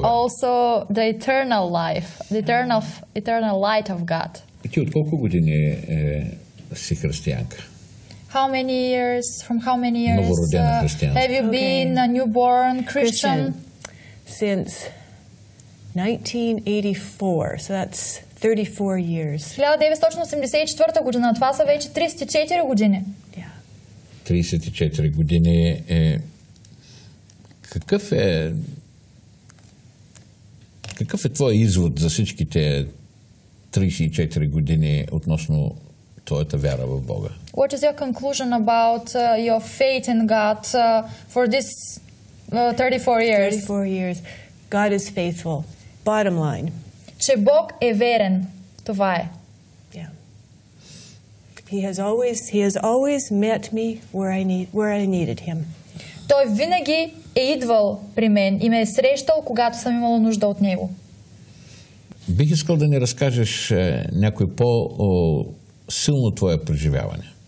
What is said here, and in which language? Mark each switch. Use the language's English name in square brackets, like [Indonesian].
[English] But also the eternal life, the eternal light of God. [Bulgarian] Ти от колко години си християнка? [English] How many years? From how many years? [Bulgarian] Новородена християнка. [English] Have you been a newborn Christian? Since 1984. So that's 34 years. [Bulgarian] 1984 година, това са вече 34 години. 34 години е... Какъв е твой извод за всичките 34 години относно твоята вяра в Бога? [English] What is your conclusion about your faith in God for this 34 years? 34 years. God is faithful. Bottom line. [Bulgarian] Че Бог е верен. Това е. [English] Yeah. He has always met me where I needed him. [Bulgarian] Той винаги е идвал при мен и ме е срещал, когато съм имала нужда от него. Бих искал да ни разкажеш някой по-силно твое преживяване.